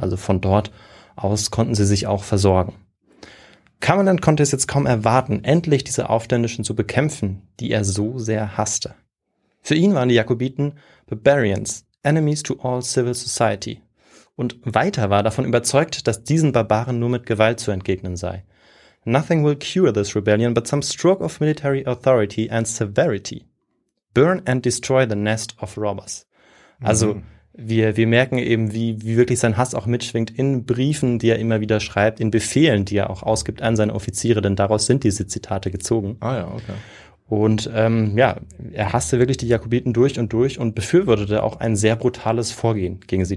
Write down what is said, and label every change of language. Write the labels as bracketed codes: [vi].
[de] Also von dort aus konnten sie sich auch versorgen. Camelent konnte es jetzt kaum erwarten, endlich diese Aufständischen zu bekämpfen, die er so sehr hasste. Für ihn waren die Jakobiten [en] Barbarians, enemies to all civil society. [de] Und weiter war davon überzeugt, dass diesen Barbaren nur mit Gewalt zu entgegnen sei. [en] Nothing will cure this rebellion but some stroke of military authority and severity. Burn and destroy the nest of robbers. [de] Also wir merken eben, wie wirklich sein Hass auch mitschwingt in Briefen, die er immer wieder schreibt, in Befehlen, die er auch ausgibt an seine Offiziere, denn daraus sind diese Zitate gezogen. Ah ja, okay. Und er hasste wirklich die Jakobiten durch und durch und befürwortete auch ein sehr brutales Vorgehen gegen sie.